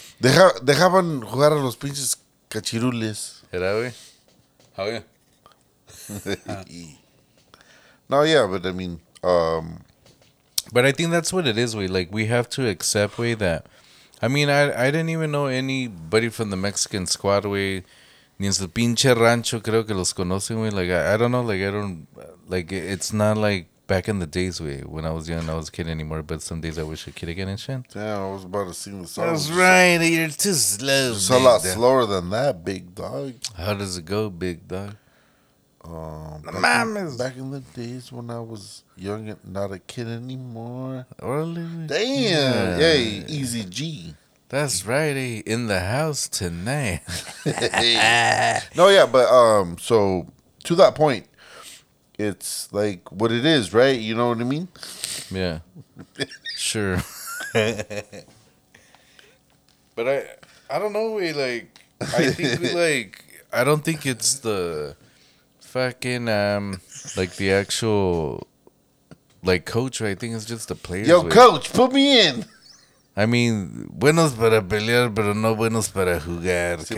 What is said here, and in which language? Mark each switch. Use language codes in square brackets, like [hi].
[es] dejaban jugar a los pinches cachirules. [en] Era, wey. How you? No, yeah, but I mean. But I think that's what it is, wey. Like, we have to accept, wey, that... I mean, I didn't even know anybody from the Mexican squad, wey. [es] Ni en su pinche rancho creo que los conocen, güey. [en] Like, I don't know, like, I don't, like, it's not like back in the days, güey, when I was young, I was a kid anymore, but some days I wish a kid again and shit. Damn, I was about to sing the song. That's right, you're too slow. It's a lot slower than that, big dog. How does it go, big dog? Back in the days when I was young and not a kid anymore. Early. Damn. Yay, yeah. Hey, Easy G. That's right, eh? In the house tonight. No, yeah, but so to that point, it's like what it is, right? You know what I mean? Yeah. Sure. But I don't know, we like I don't think it's the fucking like the actual like coach, right? I think it's just the players. Yo, coach, put me in. I mean, [es] buenos para pelear, pero no buenos para jugar.